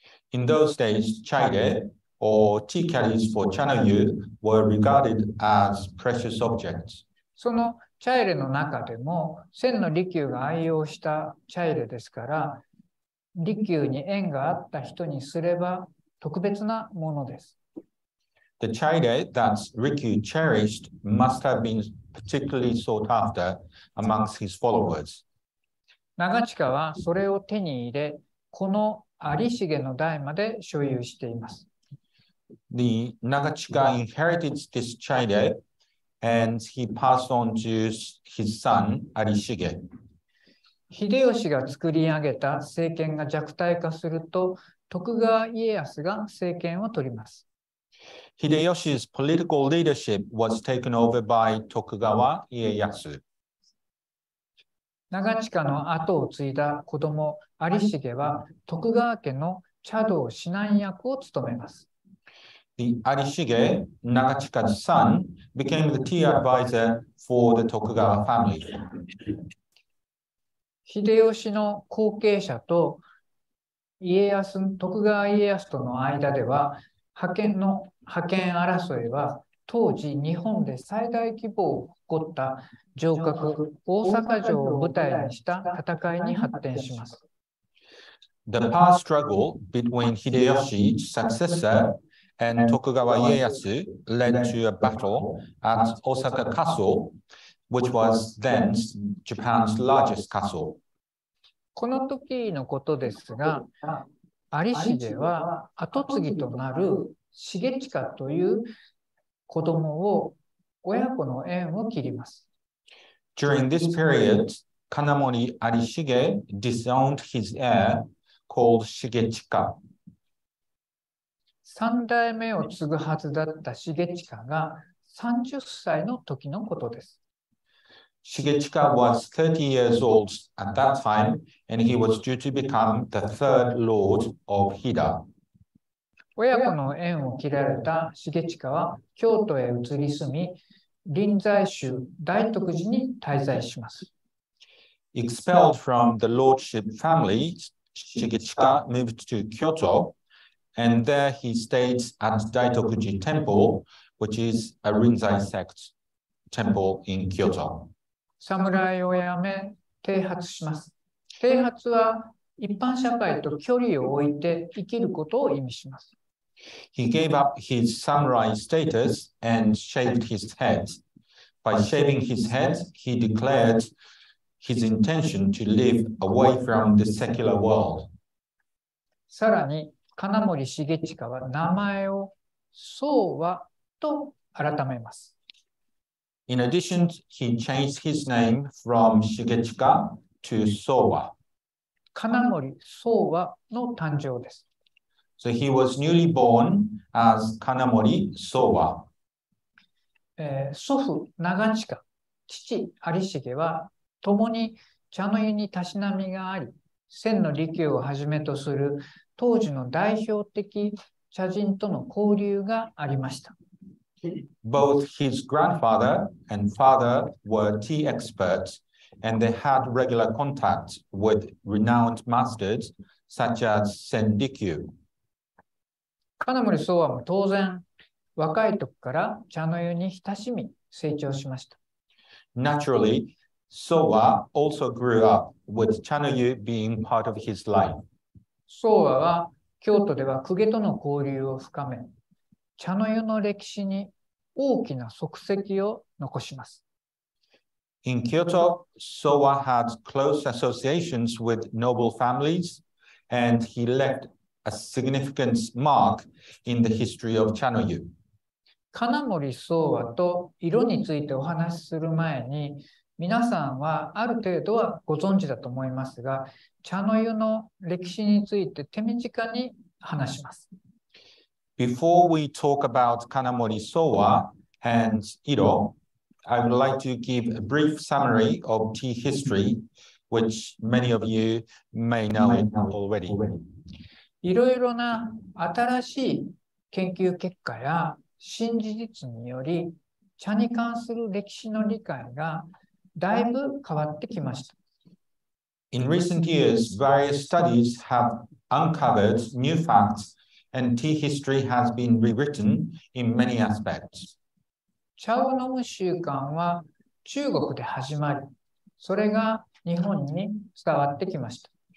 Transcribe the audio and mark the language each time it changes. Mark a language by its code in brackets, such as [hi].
[en] In those days, 茶入れ or tea caddies for 茶の湯 were regarded as precious objects. [ja] その茶入れの中でも、千利休が愛用した茶入れですから、利休に縁があった人にすれば特別なものです。 [en] The 茶入れ that 利休 cherished must have been particularly sought after amongst his followers. [ja] 長近はそれを手に入れ、この有重の代まで所有しています。 [en] The 長近 inherited this 茶入れAnd he passed on to his son, Arishige. [ja] 秀吉が作り上げた政権が弱体化すると、徳川家康が政権を取ります。 [en] 秀吉's political leadership was taken over by 徳川家康。 [ja] 長近の後を継いだ子供、Arishigeは徳川家の茶道指南役を務めます。 [en] The Arishige, Nagachika's son, became the tea advisor for the Tokugawa family. [ja] 秀吉の後継者と家康、徳川家康との間では、覇権争いは当時日本で最大規模を誇った城郭大阪城を舞台にした戦いに発展します。 [en] The power struggle between Hideyoshi's successorAnd Tokugawa Ieyasu led to a battle at Osaka Castle, which was then Japan's largest castle. [ja] この時のことですが、有重は後継ぎとなる重親という子供を親子の縁を切ります。 [en] During this period, Kanamori Arishige disowned his heir called Shigechika. [ja] 三代目を継ぐはずだった Shigechika が30歳の時のことです。 [en] Shigechika was 30 years old at that time, and he was due to become the third lord of Hida. [ja] 親子の縁を切られた Shigechika は京都へ移り住み、臨済宗大徳寺に滞在します。 [en] Expelled from the lordship family, Shigechika moved to Kyoto, and there he stayed at Daitokuji Temple, which is a Rinzai sect temple in Kyoto. [ja] 侍を辞め、剃髪します。剃髪は一般社会と距離を置いて生きることを意味します。 [en] He gave up his samurai status and shaved his head. By shaving his head, he declared his intention to live away from the secular world. [ja] さらに、金森重親は名前を宗和と改めます。 [en] In addition, he changed his name from Shigechika to Sōwa. [ja] 金森宗和の誕生です。 [en] So he was newly born as Kanamori Sōwa. [ja] 祖父長近、父有重は共に茶の湯にたしなみがあり、千の利休をはじめとする当時の代表的茶人との交流がありました。 [en] Both his grandfather and father were tea experts, and they had regular contact with renowned masters such as 千利休。 [ja] 金森宗和も当然、若い時から茶の湯に親しみ成長しました。 [en] Naturally, Sōwa also grew up with 茶の湯 being part of his life. [ja] 宗和は京都では公家との交流を深め、茶の湯の歴史に大きな足跡を残します。 [en] In Kyoto, Sōwa had close associations with noble families, and he left a significant mark in the history of 茶の湯。 [ja] 金森宗和と色についてお話しする前に、皆さんはある程度はご存知だと思いますが、茶の湯の歴史について手短に話します。 [en] Before we talk about 金森宗和 and 色, I would like to give a brief summary of tea history, which many of you may know already. [ja] いろいろな新しい研究結果や新事実により、茶に関する歴史の理解がだいぶ変わってきました。 [en] In recent years, various studies have uncovered new facts, and tea history has been rewritten in many aspects. [ja] 茶を飲む習慣は中国で始まり、それが日本に伝わってきました。